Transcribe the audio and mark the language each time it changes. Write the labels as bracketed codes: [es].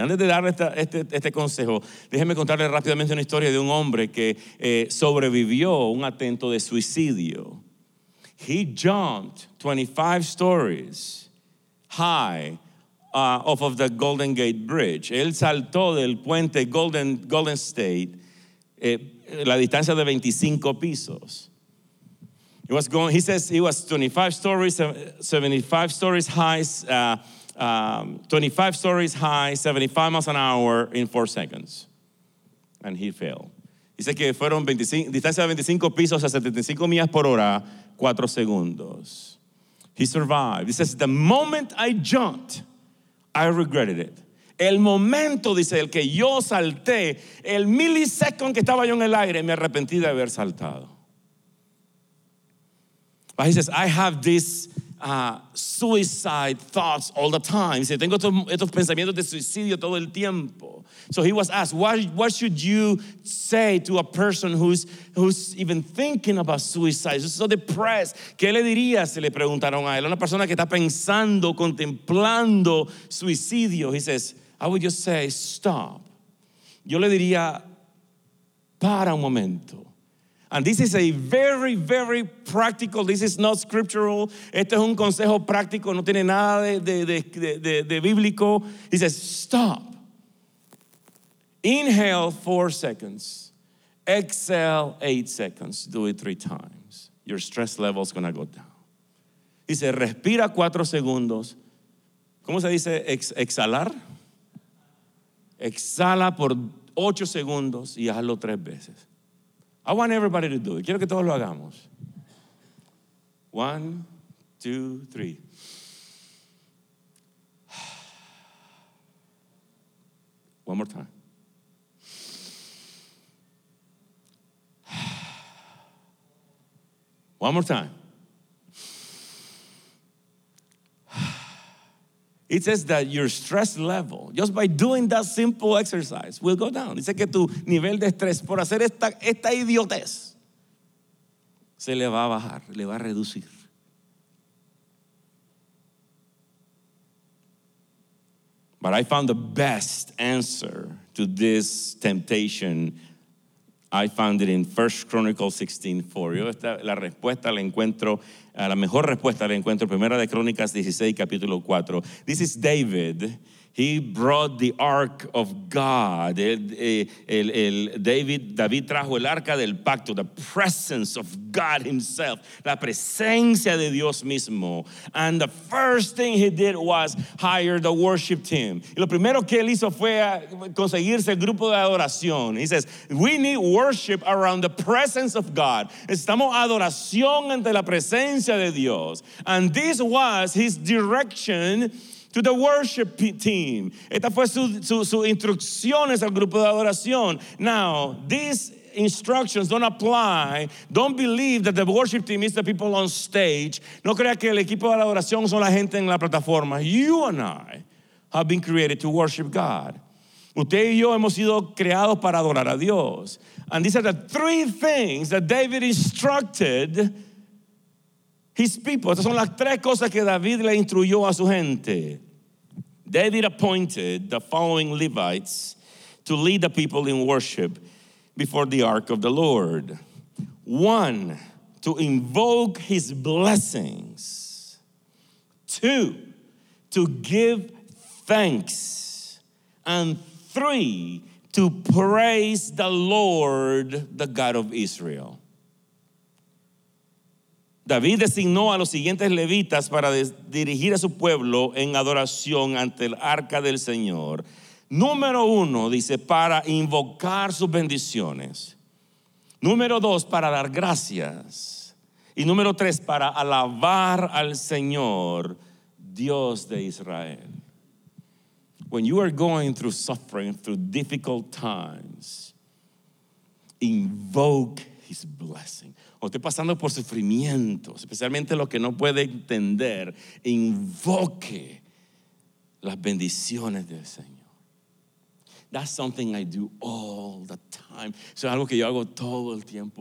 [es] Antes de darle este consejo, déjeme contarle rápidamente una historia de un hombre que sobrevivió un intento de suicidio. [en] He jumped 25 stories high off of the Golden Gate Bridge. [es] Él saltó del puente Golden State la distancia de 25 pisos. [en] He was going, he says he was 25 stories high, 75 miles an hour in 4 seconds. And he fell. [es] Dice que fueron distancia de 25 pisos a 75 millas por hora, 4 segundos. [en] He survived. He says, the moment I jumped, I regretted it. [es] El momento, dice él, que yo salté, el millisecond que estaba yo en el aire, me arrepentí de haber saltado. [en] But he says, I have this suicide thoughts all the time. [es] Dice, tengo estos pensamientos de suicidio todo el tiempo. [en] So he was asked, what should you say to a person who's even thinking about suicide, who's so depressed? [es] ¿Qué le dirías? Se le preguntaron a él. Una persona que está pensando, contemplando suicidio. [en] He says, I would just say, stop. [es] Yo le diría, para un momento. [en] And this is a very, very practical, this is not scriptural. [es] Este es un consejo práctico, no tiene nada de bíblico. [en] He says, stop. Inhale 4 seconds. Exhale 8 seconds. Do it 3 times. Your stress level is going to go down. He says, [es] respira 4 segundos. ¿Cómo se dice exhalar? Exhala por 8 segundos y hazlo 3 veces. [en] I want everybody to do it. [es] Quiero que todos lo hagamos. [en] 1, 2, 3. One more time. One more time. It says that your stress level, just by doing that simple exercise, will go down. [es] Dice que tu nivel de estrés por hacer esta idiotez se le va a bajar, le va a reducir. [en] But I found the best answer to this temptation. I found it in 1 Chronicles 16:4. [es] Yo la mejor respuesta la encuentro en Primera de Crónicas 16, capítulo 4. [en] This is David. He brought the ark of God. [es] David trajo el arca del pacto, [en] the presence of God himself, [es] la presencia de Dios mismo. [en] And the first thing he did was hire the worship team. [es] Y lo primero que él hizo fue conseguirse el grupo de adoración. [en] He says, we need worship around the presence of God. [es] Necesitamos adoración ante la presencia de Dios. [en] And this was his direction to the worship team. [es] Esta fue su instrucciones al grupo de adoración. [en] Now, these instructions don't apply. Don't believe that the worship team is the people on stage. [es] No crea que el equipo de adoración son la gente en la plataforma. [en] You and I have been created to worship God. [es] Usted y yo hemos sido creados para adorar a Dios. [en] And these are the 3 things that David instructed his people. [es] Estas son las 3 cosas que David le instruyó a su gente. [en] David appointed the following Levites to lead the people in worship before the ark of the Lord. 1, to invoke his blessings. 2, to give thanks. And 3, to praise the Lord, the God of Israel. [es] David designó a los siguientes levitas para dirigir a su pueblo en adoración ante el arca del Señor. 1, dice, para invocar sus bendiciones. 2, para dar gracias. Y 3, para alabar al Señor, Dios de Israel. [en] When you are going through suffering, through difficult times, invoke his blessing. [es] O esté pasando por sufrimientos, especialmente los que no puede entender, invoque las bendiciones del Señor. [en] That's something I do all the time. [es] Eso es algo que yo hago todo el tiempo.